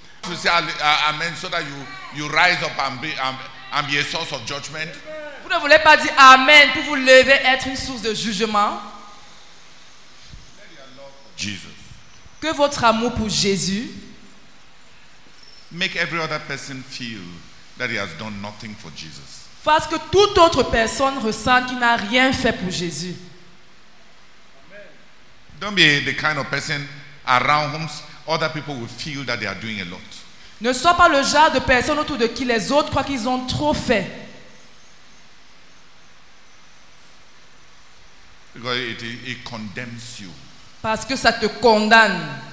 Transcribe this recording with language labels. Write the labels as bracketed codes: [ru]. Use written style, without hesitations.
[en] To say amen, so that you rise up and be a source of judgment. [fr] Vous ne voulez pas dire amen pour vous lever être une source de jugement. [en] Jesus. [fr] Que votre amour pour Jésus [en] make every other person feel that he has done nothing for Jesus. [fr] Fasse que toute autre personne ressente qu'il n'a rien fait pour Jésus. [en] Amen. Don't be the kind of person around whom other people will feel that they are doing a lot. [fr] Ne sois pas le genre de personne autour de qui les autres croient qu'ils ont trop fait. [en] Because it condemns you. [fr] Parce que ça te condamne.